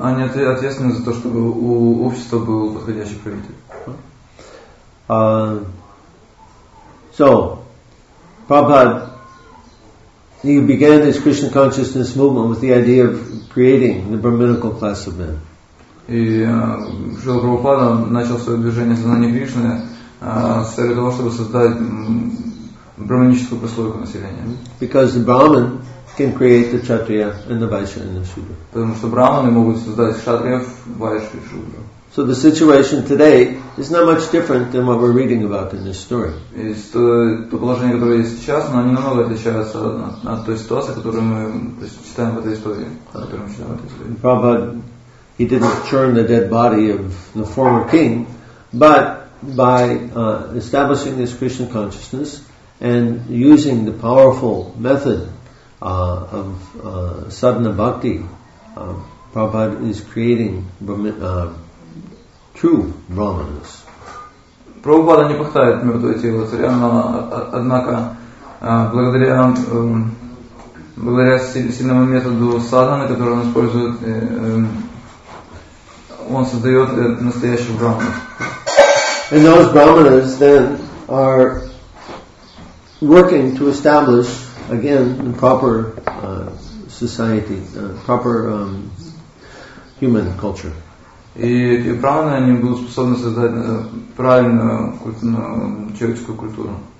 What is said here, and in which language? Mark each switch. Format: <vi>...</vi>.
<ru>Они ответственны за то, чтобы у общества был подходящий правитель.</ru> <en>So, Prabhupada, he began his Krishna consciousness movement with the idea of creating the brahminical class of men.</en> <ru>И Шрила Прабхупада начал свое движение сознания Кришны с целью того, чтобы создать брахманическую прослойку населения.</ru> <en>Because the Brahman can create the Kshatriya and the Vaishya and the Shudra.</en> <ru>Потому что брахманы могут создать кшатриев, вайшью и шудру.</ru> <en>So the situation today is not much different than what we're reading about in this story.</en> <ru>То положение, которое есть сейчас, оно немного отличается от той ситуации, которую мы читаем в этой истории.</ru> <en>He didn't churn the dead body of the former king, but by establishing this Krishna consciousness and using the powerful method of sadhana bhakti, Prabhupada is creating true brahmanas.</en> <ru>Prabhupada не повторяет мертвое тело царя, но однако благодаря сильному методу садханы, который он использует, он создает настоящих брахманов.</ru> <en>And those brahmanas then are working to establish again the proper society, proper human culture.</en> <ru>И брахманы они будут способны создать правильную человеческую культуру.</ru>